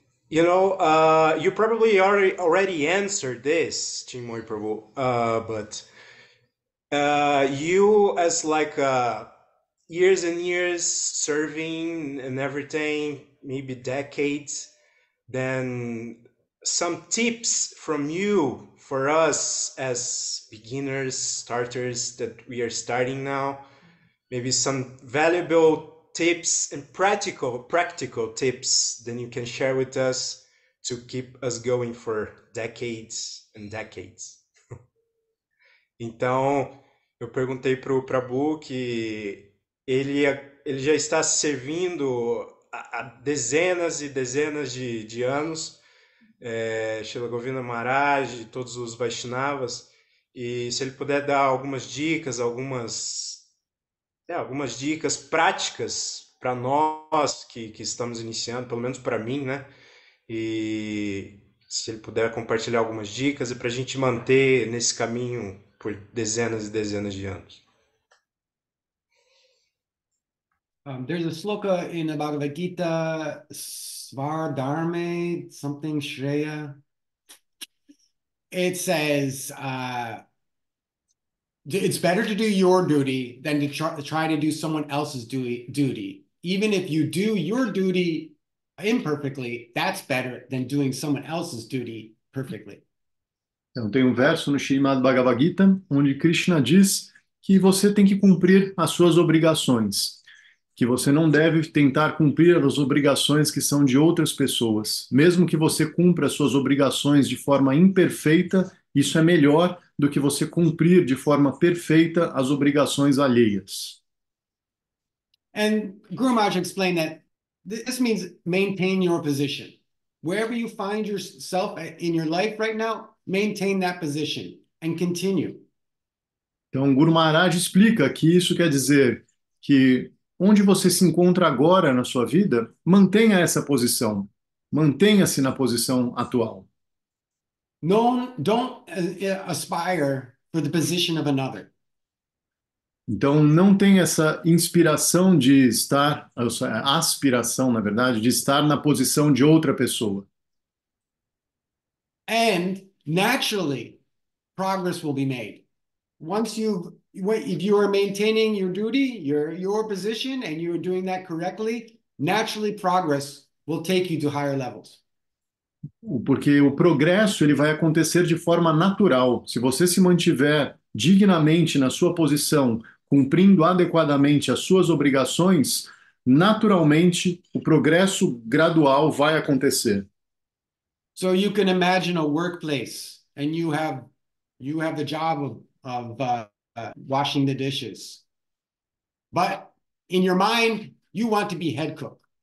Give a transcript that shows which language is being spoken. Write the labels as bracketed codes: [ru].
[en] You probably already answered this, Chinmoy Prabhu, but you as like years and years serving and everything, maybe decades, then some tips from you for us as beginners, starters that we are starting now, maybe some valuable tips and practical tips then you can share with us to keep us going for decades and decades. [pt] Então, eu perguntei para o Prabhu que ele já está servindo há dezenas e dezenas de anos, Srila Govinda Maharaj, todos os Vaishnavas, e se ele puder dar algumas dicas práticas para nós que estamos iniciando, pelo menos para mim, né? E se ele puder compartilhar algumas dicas e para a gente manter nesse caminho por dezenas e dezenas de anos. [en] There's a sloka in the Bhagavad Gita, Svardharme, something Shreya. It says, it's better to do your duty than to try to do someone else's duty. Even if you do your duty imperfectly, that's better than doing someone else's duty perfectly. [pt] Então, tem verso no Srimad Bhagavad Gita, onde Krishna diz que você tem que cumprir as suas obrigações, que você não deve tentar cumprir as obrigações que são de outras pessoas. Mesmo que você cumpra as suas obrigações de forma imperfeita, isso é melhor do que você cumprir de forma perfeita as obrigações alheias. [en] And Guru Maharaj explained that this means maintain your position. Wherever you find yourself in your life right now, maintain that position and continue. [pt] Então, Guru Maharaj explica que isso quer dizer que onde você se encontra agora na sua vida, mantenha essa posição. Mantenha-se na posição atual. [en] Don't aspire for the position of another. [pt] Então, não tenha essa inspiração de estar, aspiração, na verdade, de estar na posição de outra pessoa. [en] And naturally, progress will be made. Once if you are maintaining your duty, your position, and you are doing that correctly, naturally progress will take you to higher levels. [pt] Porque o progresso ele vai acontecer de forma natural. Se você se mantiver dignamente na sua posição, cumprindo adequadamente as suas obrigações, naturalmente o progresso gradual vai acontecer. [en] So you can imagine a workplace and you have the job of washing the dishes. But in your mind, you want to be head cook.